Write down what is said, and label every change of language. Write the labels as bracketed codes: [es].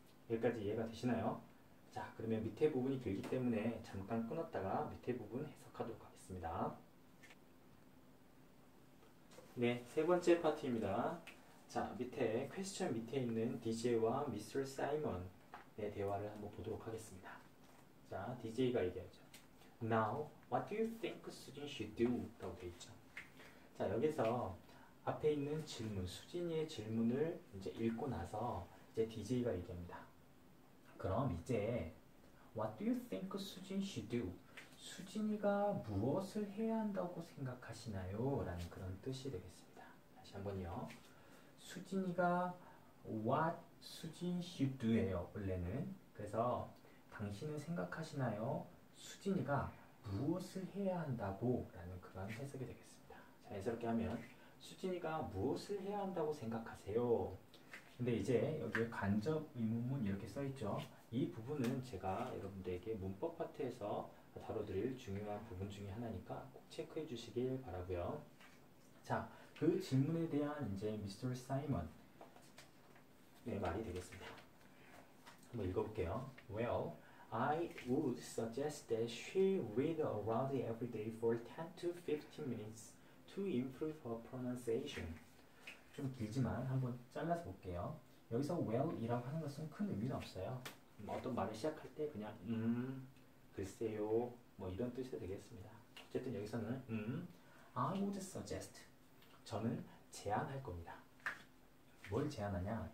[ko] 여기까지 이해가 되시나요? 자, 그러면 밑에 부분이 길기 때문에 잠깐 끊었다가 밑에 부분 해석하도록 하겠습니다. 네, 세 번째 파트입니다. 자, 밑에, 퀘스천 밑에 있는 DJ와 미스터 사이먼의 대화를 한번 보도록 하겠습니다. 자, DJ가 얘기하죠. [en] Now, what do you think Sujin should do? [ko] 라고 되어 있죠. 자, 여기서 앞에 있는 질문, 수진이의 질문을 이제 읽고 나서 이제 DJ가 얘기합니다. 그럼 이제, [en] What do you think Sujin should do? [ko] 수진이가 무엇을 해야 한다고 생각하시나요? 라는 그런 뜻이 되겠습니다. 다시 한번요. 수진이가 [en] What Sujin should do [ko] 예요, 원래는. 그래서 당신은 생각하시나요? 수진이가 무엇을 해야 한다고? 라는 그런 해석이 되겠습니다. 자연스럽게 하면, 수진이가 무엇을 해야 한다고 생각하세요? 근데 이제 여기에 간접 의문문 이렇게 써 있죠. 이 부분은 제가 여러분들에게 문법 파트에서 다뤄드릴 중요한 부분 중에 하나니까 꼭 체크해 주시길 바라고요. 자, 그 질문에 대한 이제 미스터 사이먼의 말이 되겠습니다. 한번 읽어볼게요. [en] Well, I would suggest that she read aloud every day for 10 to 15 minutes to improve her pronunciation. [ko] 좀 길지만 한번 잘라서 볼게요. 여기서 well이라고 하는 것은 큰 의미는 없어요. 뭐 어떤 말을 시작할 때 그냥 글쎄요 뭐 이런 뜻이 되겠습니다. 어쨌든 여기서는 [en] I would suggest [ko] 저는 제안할 겁니다. 뭘 제안하냐?